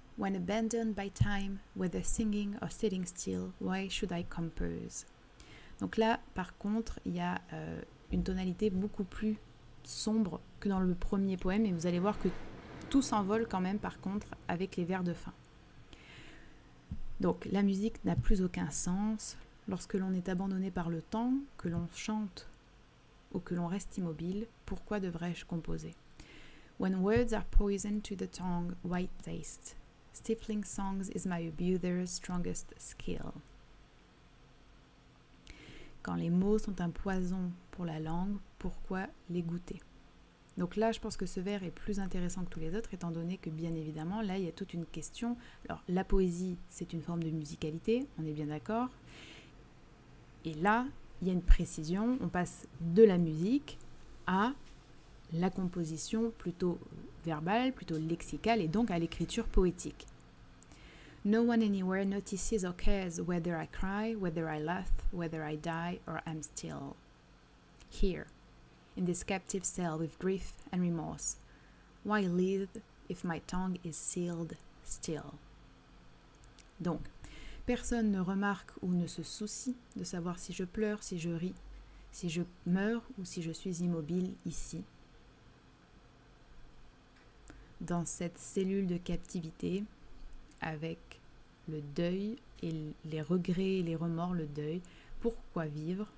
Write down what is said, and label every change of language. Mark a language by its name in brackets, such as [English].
[English] When abandoned by time, whether singing or sitting still, why should I compose? [French] Donc là, par contre, il y a une tonalité beaucoup plus sombre que dans le premier poème, et vous allez voir que tout s'envole quand même, par contre, avec les vers de fin. Donc, la musique n'a plus aucun sens lorsque l'on est abandonné par le temps, que l'on chante ou que l'on reste immobile, pourquoi devrais-je composer? [English] When words are poison to the tongue, why taste? Stifling songs is my abuser's strongest skill. [French] Quand les mots sont un poison pour la langue, pourquoi les goûter? Donc là, je pense que ce vers est plus intéressant que tous les autres, étant donné que, bien évidemment, là, il y a toute une question. Alors, la poésie, c'est une forme de musicalité, on est bien d'accord. Et là, il y a une précision, on passe de la musique à la composition plutôt verbale, plutôt lexicale, et donc à l'écriture poétique. [English] No one anywhere notices or cares whether I cry, whether I laugh, whether I die or am still. Here, in this captive cell with grief and remorse, why live if my tongue is sealed still? [French] Donc, personne ne remarque ou ne se soucie de savoir si je pleure, si je ris, si je meurs ou si je suis immobile ici. Dans cette cellule de captivité, avec le deuil et les regrets et les remords, le deuil, pourquoi vivre?